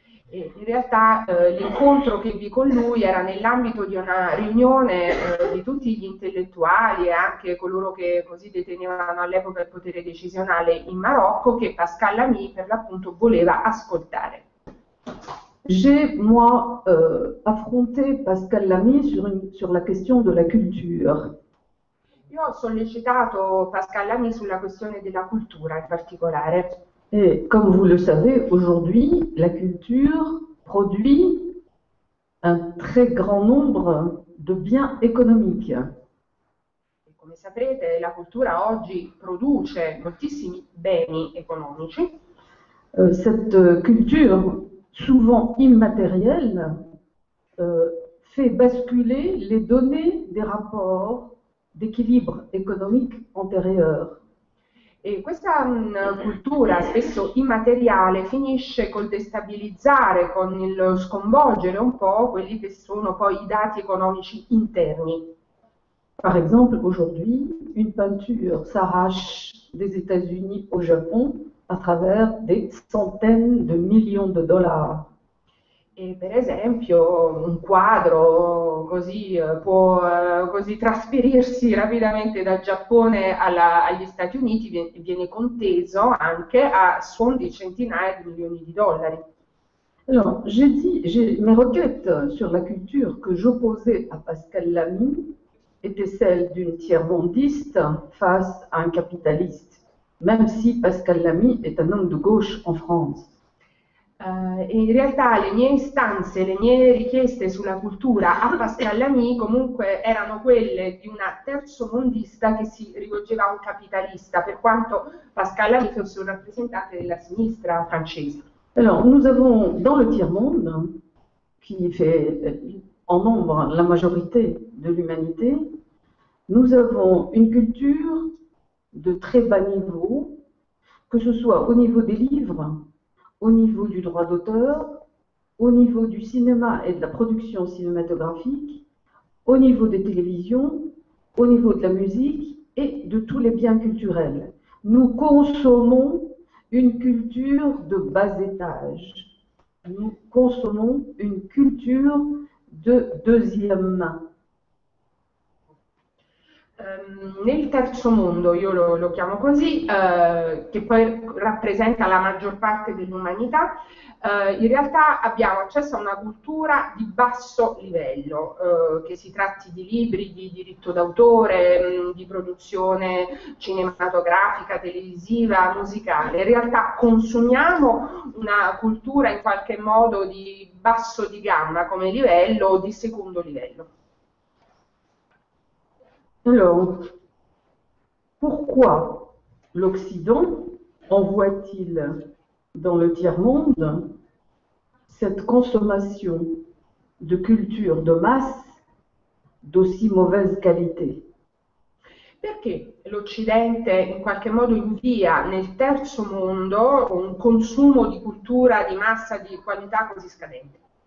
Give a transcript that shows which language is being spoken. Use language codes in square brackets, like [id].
[it] In realtà l'incontro che ebbi con lui era nell'ambito di una riunione di tutti gli intellettuali e anche coloro che così detenevano all'epoca il potere decisionale in Marocco, che Pascal Lamy per l'appunto voleva ascoltare. [fr] J'ai, moi, affronté Pascal Lamy sur la question de la culture. [it] Io ho sollecitato Pascal Lamy sulla questione della cultura in particolare. [fr] Et comme vous le savez, aujourd'hui, la culture produit un très grand nombre de biens économiques. [it] Come saprete, la cultura oggi produce moltissimi beni economici. [fr] Cette culture souvent immatériel, fait basculer les données des rapports d'équilibre économique antérieurs. [it] E questa cultura, spesso immateriale, finisce col destabilizzare, con il sconvolgere un po' quelli che sono poi i dati economici interni. [fr] Par exemple, aujourd'hui, une peinture s'arrache des États-Unis au Japon à travers des centaines de millions de dollars. [it] E per esempio un quadro così può così trasferirsi rapidamente dal Giappone agli Stati Uniti viene conteso anche a suon di centinaia di milioni di dollari. [fr] Alors, j'ai mes requêtes sur la culture que j'opposais à Pascal Lamy étaient celles d'une tiers-mondiste face à un capitaliste, même si Pascal Lamy est un homme de gauche en France. [it] In realtà le mie istanze, le mie richieste sulla cultura a Pascal Lamy comunque erano quelle di una terzomondista che si rivolgeva a un capitalista, per quanto Pascal Lamy fosse un rappresentante della sinistra francese. [fr] Alors, nous avons dans le tiers-monde, qui fait en nombre la majorité de l'humanité, nous avons une culture de très bas niveau, que ce soit au niveau des livres, au niveau du droit d'auteur, au niveau du cinéma et de la production cinématographique, au niveau des télévisions, au niveau de la musique et de tous les biens culturels. Nous consommons une culture de bas étage. Nous consommons une culture de deuxième main. [it] Nel terzo mondo, io lo chiamo così, che poi rappresenta la maggior parte dell'umanità, in realtà abbiamo accesso a una cultura di basso livello, che si tratti di libri, di diritto d'autore, di produzione cinematografica, televisiva, musicale. In realtà consumiamo una cultura in qualche modo di basso di gamma come livello o di secondo livello. [fr] Alors, pourquoi l'Occident envoie-t-il dans le tiers-monde cette consommation de culture de masse d'aussi mauvaise qualité? [it] Perché l'Occidente in qualche modo invia nel terzo mondo un consumo di cultura di massa di qualità così scadente?